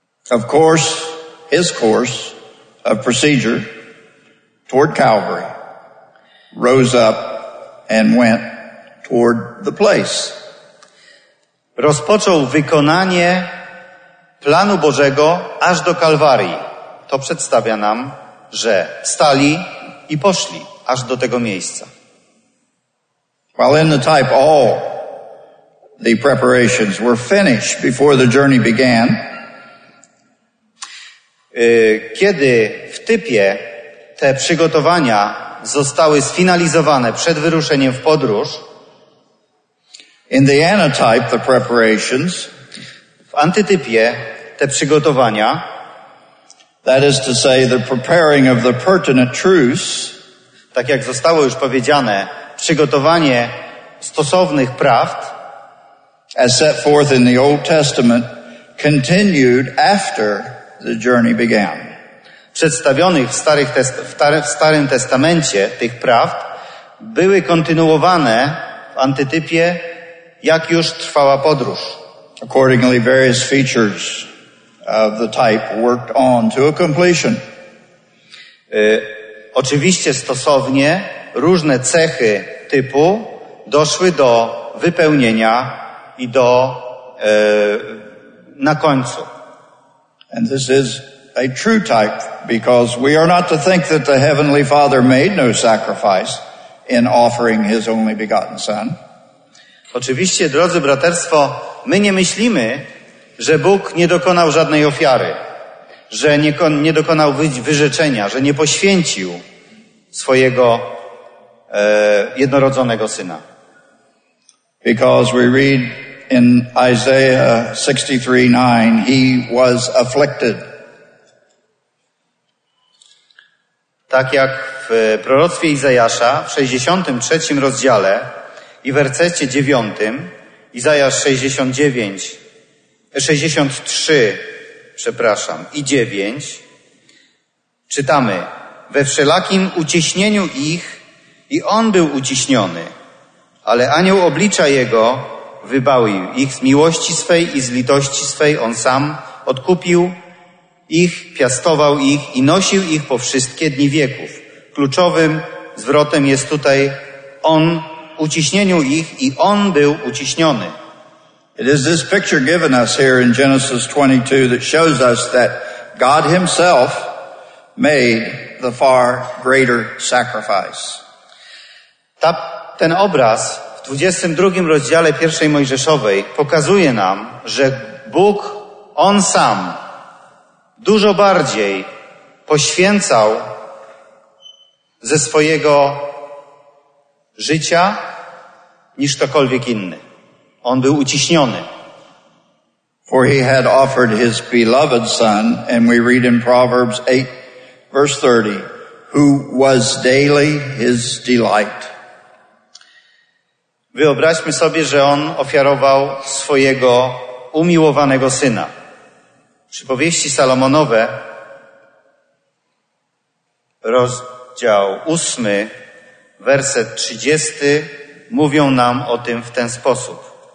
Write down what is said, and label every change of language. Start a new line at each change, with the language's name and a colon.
English: Of course, his course of procedure toward Calvary rose up and went toward the place.
Polish: Rozpoczął wykonanie planu Bożego aż do Kalwarii. To przedstawia nam, że stali i poszli aż do tego miejsca.
English: While in the type all the preparations were finished before the journey began.
Polish: Kiedy w typie te przygotowania zostały sfinalizowane przed wyruszeniem w podróż.
English: In the antitype, the preparations.
Polish: W antytypie te przygotowania
English: That is to say, the preparing of the pertinent truce.
Polish: Tak jak zostało już powiedziane, przygotowanie stosownych prawd.
English: As set forth in the Old Testament, continued after the journey began.
Polish: Przedstawionych w Starym Testamencie tych prawd były kontynuowane w antytypie, jak już trwała podróż.
English: Accordingly, various features of the type worked on to a completion.
Polish: Oczywiście stosownie różne cechy typu doszły do wypełnienia i do na końcu.
English: And this is a true type, because we are not to think that the Heavenly Father made no sacrifice in offering His only begotten Son.
Polish: Oczywiście, drodzy braterstwo, my nie myślimy, że Bóg nie dokonał żadnej ofiary, że nie dokonał wyrzeczenia, że nie poświęcił swojego jednorodzonego Syna.
English: Because we read in Isaiah 63:9, He was afflicted.
Polish: Tak jak w proroctwie Izajasza w 63 rozdziale i wersecie 9, Izajasz 63 i 9, czytamy: we wszelakim uciśnieniu ich i on był uciśniony, ale anioł oblicza jego wybawił ich z miłości swej i z litości swej, on sam odkupił ich, piastował ich i nosił ich po wszystkie dni wieków. Kluczowym zwrotem jest tutaj on uciśnieniu ich i on był uciśniony.
English: It is this picture given us here in Genesis 22 that shows us that God himself made the far greater sacrifice.
Polish: Ten obraz w 22 rozdziale pierwszej Mojżeszowej pokazuje nam, że Bóg on sam dużo bardziej poświęcał ze swojego życia niż ktokolwiek inny. On był uciśniony.
English: For he had offered his beloved son, and we read in Proverbs 8, verse 30, who was daily his delight.
Polish: Wyobraźmy sobie, że on ofiarował swojego umiłowanego syna. Przypowieści Salomonowe, rozdział 8, werset 30, mówią nam o tym w ten sposób.